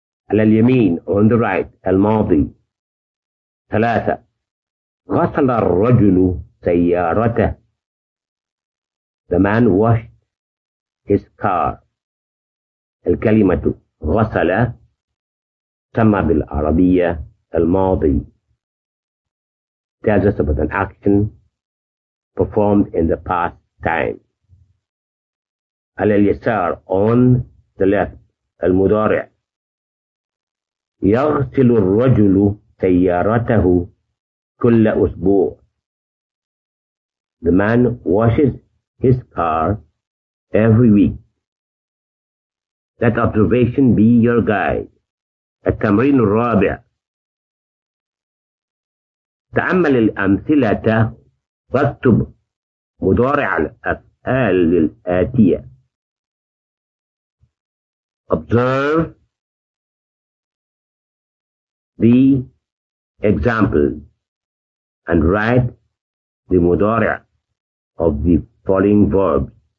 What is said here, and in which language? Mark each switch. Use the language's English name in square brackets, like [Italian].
[Arabic] على اليمين [English] on the right، [Arabic] الماضي ثلاثة، غسل الرجل سيارته. [English] The man washed his car. [Arabic] الكلمة غسل تسمى بالعربية الماضي. [English] Tells us about an action performed in the past time. [Arabic] على اليسار [English] on the left، [Arabic] المضارع يغسل الرجل سيارته كل أسبوع. [English] The man washes his car every week. Let observation be your guide. [Arabic] التمرين الرابع، تعمل الأمثلة واكتب مضارع الأفعال الآتية: [English] observe the example and write the مضارع of the following verb.